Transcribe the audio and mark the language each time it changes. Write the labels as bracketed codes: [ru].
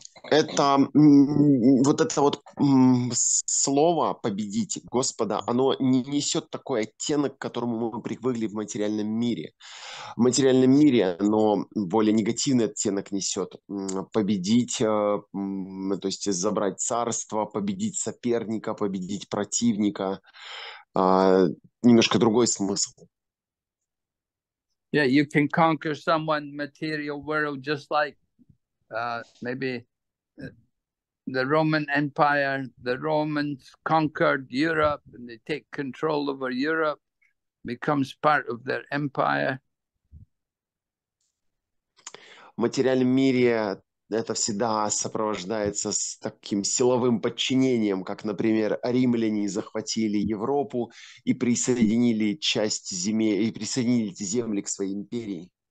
[ru] Это вот это вот слово «победить Господа», оно не несет такой оттенок, к которому мы привыкли в материальном мире. В материальном мире оно более негативный оттенок несет. Победить, то есть забрать царство, победить соперника, победить противника. Немножко другой смысл. Mm-hmm. [en] Yeah, you can conquer someone material world just like maybe the Roman Empire, the Romans conquered Europe and they take control over Europe, becomes part of their empire. [ru] В материальном мире это всегда сопровождается с таким силовым подчинением, как, например, римляне захватили Европу и присоединили часть земель, и присоединили эти земли к своей империи.